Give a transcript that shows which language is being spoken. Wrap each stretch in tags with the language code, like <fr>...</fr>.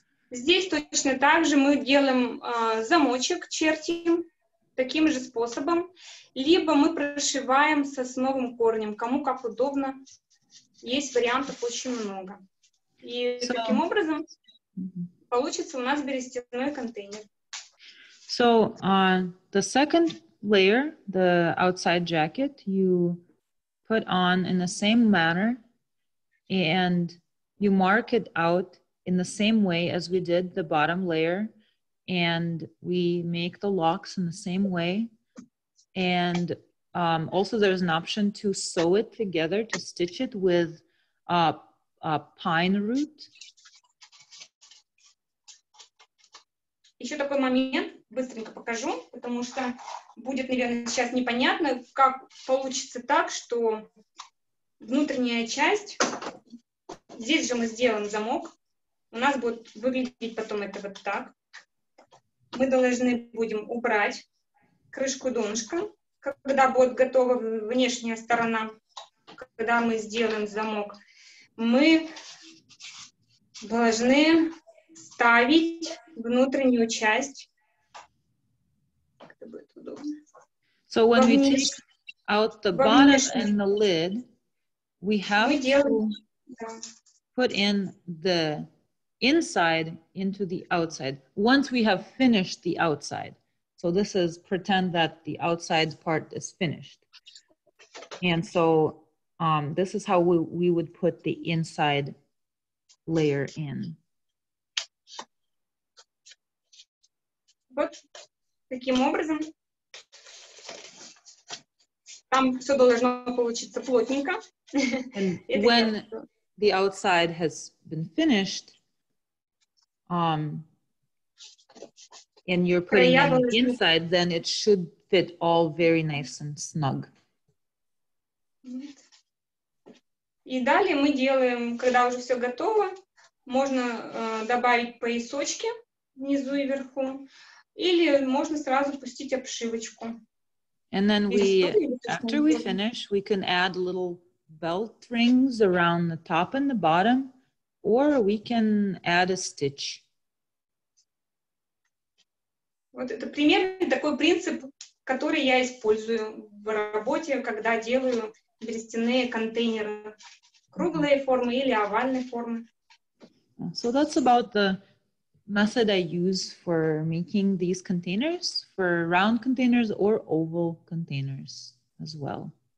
<ru>Здесь точно так же мы делаем замочек, чертим. Таким же способом, либо мы прошиваем сосновым корнем, кому как удобно, есть вариантов очень много. И so, таким образом получится у нас берестяной контейнер.</ru> <en>So, the second layer, the outside jacket, you put on in the same manner, and you mark it out in the same way as we did the bottom layer. And we make the locks in the same way. And also there's an option to sew it together, to stitch it with a pine root.</en> <ru>Еще такой момент, быстренько покажу, потому что будет, наверное, сейчас непонятно, как получится так, что внутренняя часть, здесь же мы сделаем замок, у нас будет выглядеть потом это вот так. Мы должны будем убрать крышку донышка, когда будет готова внешняя сторона, когда мы сделаем замок. Мы должны ставить внутреннюю часть. Как это будет удобно?</ru> <en>So when we take out the bottom and the lid, we have to put in the inside into the outside once we have finished the outside. So this is pretend that the outside part is finished. And so this is how we would put the inside layer in.</en> <ru>Вот таким образом. Там все должно получиться плотненько.</ru> <en>And when the outside has been finished, and you're putting it inside, then it should fit all very nice and snug.</en> <ru>И далее мы делаем, когда уже все готово, можно добавить поясочки внизу и вверху, или можно сразу пустить обшивочку.</ru> <en>And then we, after we finish, we can add little belt rings around the top and the bottom, or we can add a stitch.</en> <ru>Вот это примерно такой принцип, который я использую в работе, когда делаю берестяные контейнеры круглой формы или овальной формы.</ru> <en>So that's about the method I use for making these containers, for round containers or oval containers as well.</en>